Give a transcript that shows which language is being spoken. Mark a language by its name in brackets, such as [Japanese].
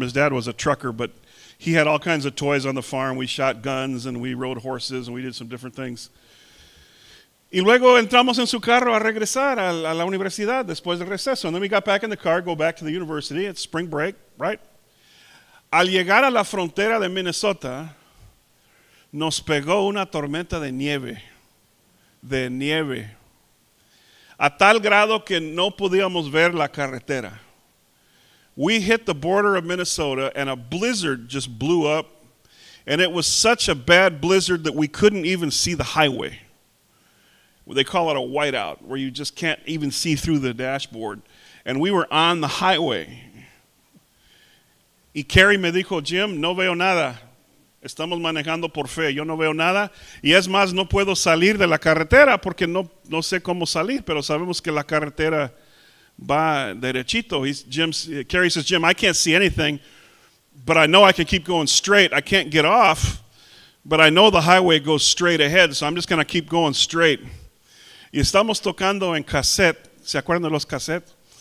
[English] His dad was a trucker, but he had all kinds of toys on the farm. We shot guns and we rode horses and we did some different things. [Spanish] Y luego entramos en su carro a regresar a la universidad después del receso. [English] And then we got back in the car, go back to the university. It's spring break, right? [Spanish] Al llegar a la frontera de Minnesota, nos pegó una tormenta de nieve. De nieve. A tal grado que no podíamos ver la carretera. [English] We hit the border of Minnesota and a blizzard just blew up. And it was such a bad blizzard that we couldn't even see the highway. They call it a whiteout, where you just can't even see through the dashboard. And we were on the highway. [Spanish] Y Kerry me dijo, Jim, no veo nada. Estamos manejando por fe. Yo no veo nada. Y es más, no puedo salir de la carretera porque no sé cómo salir. Pero sabemos que la carretera va derechito. [English] Kerry says, Jim, I can't see anything, but I know I can keep going straight. I can't get off, but I know the highway goes straight ahead. So I'm just going to keep going straight. [Spanish] Y estamos tocando en cassette. ¿Se acuerdan de los cassettes?